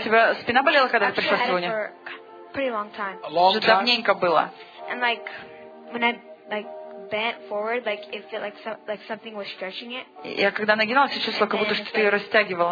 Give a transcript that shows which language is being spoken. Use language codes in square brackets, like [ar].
[ru] У тебя спина болела, когда ты пришла сегодня? [en] Pretty long time. A long time. [ru] Давненько было. [en] And like when I like bent forward, like it felt like some, like something was stretching it. [ru] Я когда нагиналась, чувствовала, как будто что-то ее растягивало.